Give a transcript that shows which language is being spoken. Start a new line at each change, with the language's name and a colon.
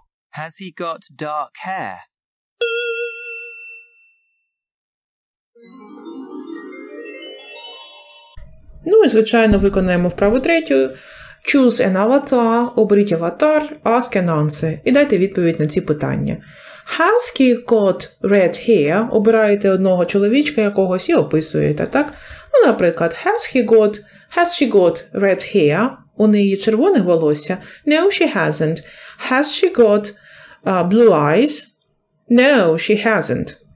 English: Has he got dark hair?
Ukrainian: Ну і, звичайно, виконаємо вправу третю.
English: Choose an avatar,
Ukrainian: оберіть аватар,
English: ask and answer.
Ukrainian: І дайте відповідь на ці питання.
English: Has he got red hair?
Ukrainian: Обираєте одного чоловічка якогось і описуєте, так? Ну, наприклад,
English: has she got red hair?
Ukrainian: У неї червоне волосся?
English: No, she hasn't. Has she got blue eyes? No, she hasn't.